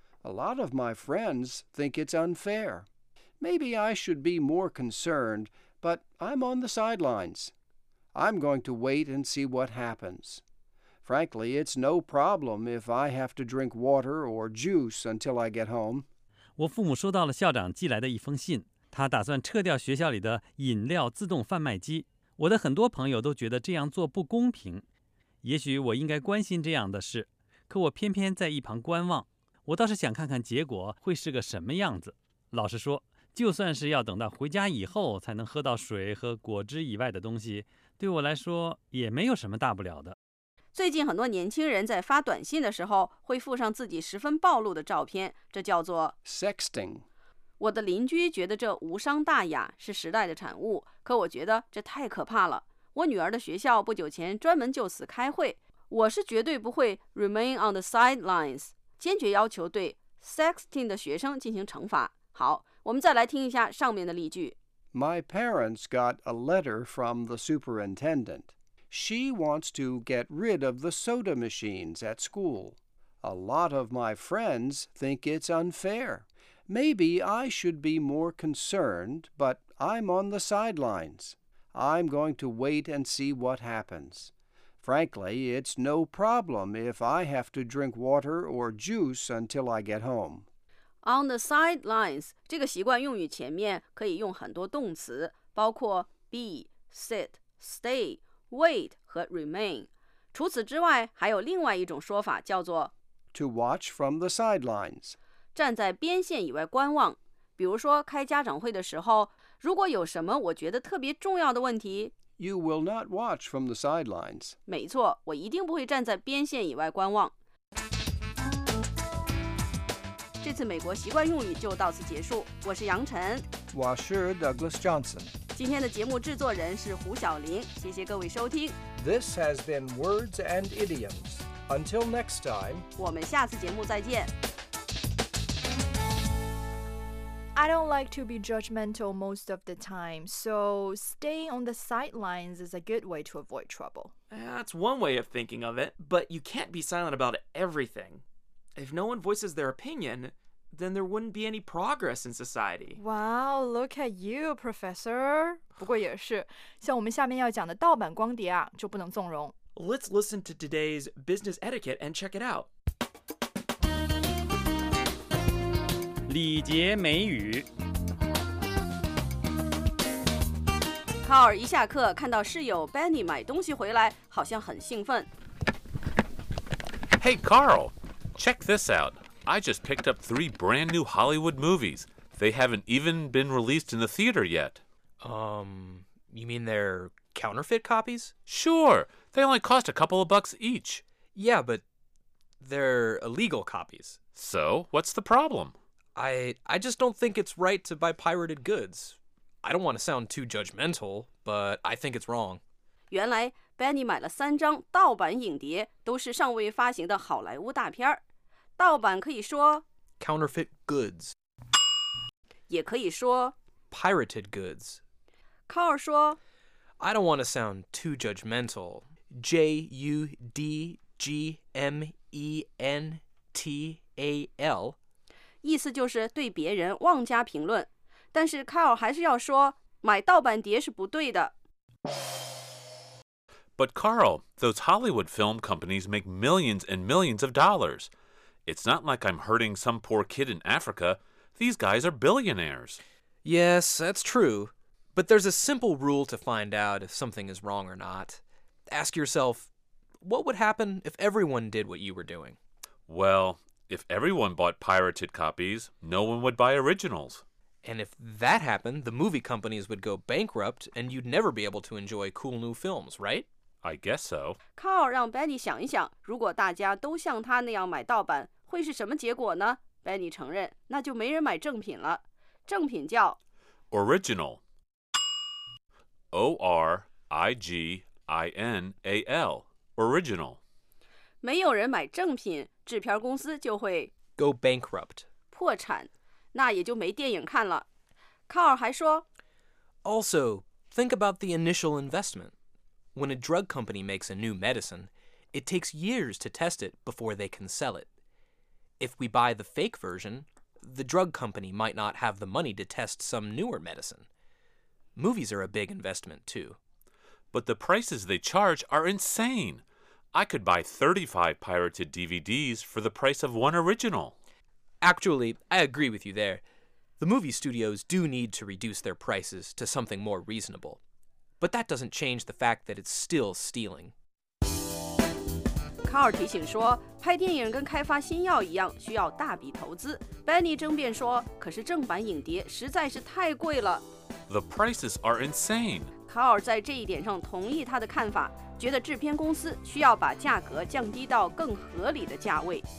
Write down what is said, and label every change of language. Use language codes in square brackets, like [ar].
[en] A lot of my friends think it's unfair. Maybe I should be more concerned, but I'm on the sidelines. I'm going to wait and see what happens. Frankly, it's no problem if I have to drink water or juice until I get home. [zh] 我父母收到了校长寄来的一封信，他打算撤掉学校里的饮料自动贩卖机。我的很多朋友都觉得这样做不公平。也许我应该关心这样的事，可我偏偏在一旁观望。我倒是想看看结果会是个什么样子。老实说，就算是要等到回家以后才能喝到水和果汁以外的东西，对我来说也没有什么大不了的。最近很多年轻人在发短信的时候会附上自己十分暴露的照片，这叫做 [en] sexting。 [zh] 我的邻居觉得这无伤大雅，是时代的产物，可我觉得这太可怕了。我女儿的学校不久前专门就此开会，我是绝对不会 [en] remain on the sidelines， [zh] 坚决要求对 sexting 的学生进行惩罚。好，我们再来听一下上面的例句。 [en] My parents got a letter from the superintendent. She wants to get rid of the soda machines at school. A lot of my friends think it's unfair. Maybe I should be more concerned, but I'm on the sidelines. I'm going to wait and see what happens. Frankly, it's no problem if I have to drink water or juice until I get home. On the sidelines, [zh] 这个习惯用语前面可以用很多动词，包括 be, sit, stay, wait 和 remain。除此之外，还有另外一种说法叫做 [en] to watch from the sidelines， [zh] 站在边线以外观望。比如说开家长会的时候，如果有什么我觉得特别重要的问题， [en] you will not watch from the sidelines。 [zh] 没错，我一定不会站在边线以外观望。这次美国习惯用语就到此结束，我是杨晨，我是 Douglas Johnson，今天的节目制作人是胡晓玲，谢谢各位收听。 [en] This has been Words and Idioms. Until next time， [zh] 我们下次节目再见。 [en] I don't like to be judgmental most of the time, so staying on the sidelines is a good way to avoid trouble. That's one way of thinking of it, but you can't be silent about everything. If no one voices their opinion, then there wouldn't be any progress in society. Wow, look at you, professor. [zh] 不过也是，像我们下面要讲的盗版光碟啊，就不能纵容。 [en] Let's listen to today's business etiquette and check it out. [zh] 礼节美语。卡尔一下课，看到室友 Benny 买东西回来，好像很兴奋。 [en] Hey, Carl! Check this out. I just picked up 3 brand new Hollywood movies. They haven't even been released in the theater yet. You mean they're counterfeit copies? Sure. They only cost a couple of bucks each. Yeah, but they're illegal copies. So, what's the problem? I just don't think it's right to buy pirated goods. I don't want to sound too judgmental, but I think it's wrong. [zh] 原来Benny 买了三张盗版影碟，都是尚未发行的好莱坞大片。盗版可以说 [en] counterfeit goods， [zh] 也可以说 [en] pirated goods。 [zh] 卡尔说 [en] ，I don't want to sound too judgmental. J U D G M E N T A L， [zh] 意思就是对别人妄加评论。但是卡尔还是要说，买盗版碟是不对的。 [en] But Carl, those Hollywood film companies make millions and millions of dollars. It's not like I'm hurting some poor kid in Africa. These guys are billionaires. Yes, that's true. But there's a simple rule to find out if something is wrong or not. Ask yourself, what would happen if everyone did what you were doing? Well, if everyone bought pirated copies, no one would buy originals. And if that happened, the movie companies would go bankrupt and you'd never be able to enjoy cool new films, right? I guess so. [zh] Carl 让 Benny 想一想，如果大家都像他那样买盗版，会是什么结果呢？ Benny 承认，那就没人买正品了。正品叫 [en] Original. O-R-I-G-I-N-A-L. Original. [zh] 没有人买正品，制片公司就会 [en] Go bankrupt. [zh] 破产，那也就没电影看了。 Carl 还说 [en] Also, think about the initial investment. When a drug company makes a new medicine, it takes years to test it before they can sell it. If we buy the fake version, the drug company might not have the money to test some newer medicine. Movies are a big investment, too. But the prices they charge are insane. I could buy 35 pirated DVDs for the price of one original. Actually, I agree with you there. The movie studios do need to reduce their prices to something more reasonable. But that doesn't change the fact that it's still stealing. [zh] Carl 提醒说，拍电影跟开发新药一样，需要大笔投资。 Benny 争辩说，可是正版影碟实在是太贵了。 [en] The prices are insane. [zh] Carl 在这一点上同意他的看法，觉得制片公司需要把价格降低到更合理的价位。